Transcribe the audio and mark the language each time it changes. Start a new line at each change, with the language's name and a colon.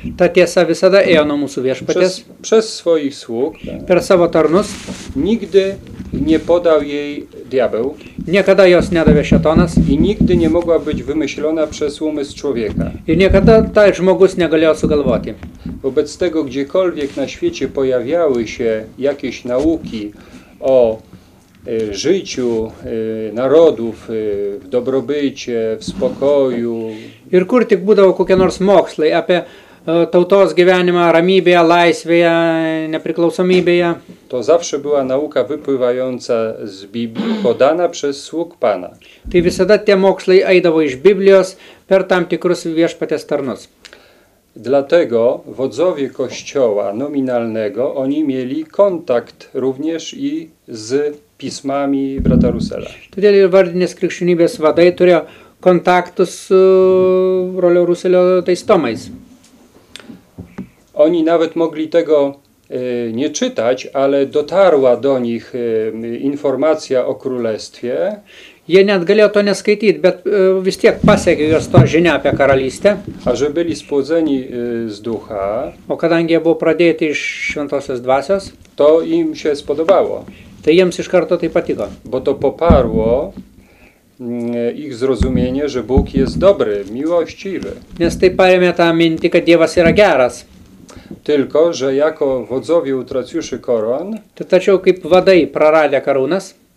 Lithuanian: Ta tiesa visada ėjo nuo mūsų viešpaties.
Polish: Przez swoich sług.
Lithuanian: Per savo tarnus.
Polish: Nigdy nie podał jej diabeł.
Lithuanian: Niekada jos nedavė šetonas.
Polish: I nigdy nie mogła być wymyślona przez umysł człowieka.
Lithuanian: I niekada ta žmogus negalėjo sugalvoti.
Polish: Wobec tego, gdziekolwiek na świecie pojawiały się jakieś nauki o życiu narodów w dobrobycie, w spokoju.
Lithuanian: Ir kur tik būdavo kokie nors mokslai apie tautos gyvenimą ramybėje, laisvėje, nepriklausomybėje.
Polish: To zawsze była nauka wypływająca z Biblii, podana przez sług Pana.
Lithuanian: Tai visada tie mokslai eidavo iš Biblijos per tam tikrus viešpaties tarnus.
Polish: Dlatego wodzowie kościoła nominalnego, oni mieli kontakt również i z pismami brata Rusela.
Lithuanian: Todėl ir vardinės krikščionybės vadai turėjo kontaktus su brolio Ruselio tais tomais.
Polish: Oni nawet mogli tego nie czytać, ale dotarła do nich informacja o królestwie.
Lithuanian: Jie net galėjo to neskaityti, bet vis tiek pasiekė jos to žinia apie karalystę.
Polish: A že byli spłodzeni z ducha.
Lithuanian: O kadangi jie buvo pradėti iš šventosios dvasios.
Polish: To im się spodobało.
Lithuanian: Tai jiems iš karto tai patiko.
Polish: Bo to poparło ich zrozumienie, že Bóg jest dobry, miłościwy.
Lithuanian: Nes tai paremė tą mintį, kad Dievas yra geras.
Polish: Tylko, že jako wodzowie utraciuszy koron.
Lithuanian: To tačiau kaip vadai praradę karūnas.